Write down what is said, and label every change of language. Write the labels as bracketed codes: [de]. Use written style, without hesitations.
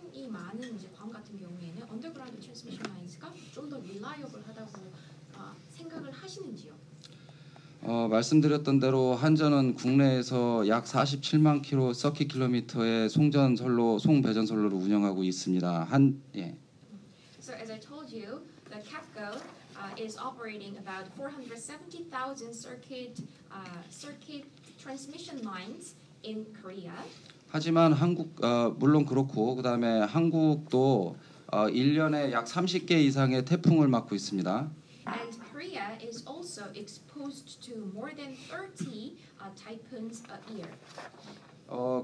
[ko] 많은 이제 괌 같은 경우에는 언더그라운드 트랜스미션 라인스가 좀 더 릴라이어블하다고 생각을 하시는지요? 말씀드렸던 대로 한전은 국내에서 약 47만 킬로 서킷 킬로미터의 송전선로, 송배전선로를 운영하고 있습니다. [en] So as I told you, the KEPCO is operating about 470,000 circuit transmission lines in Korea. [ko] 하지만 한국 물론 그렇고 그다음에 한국도 1년에 약 30개 이상의 태풍을 맞고 있습니다. [en] And Korea is also exposed to more than 30 typhoons a year.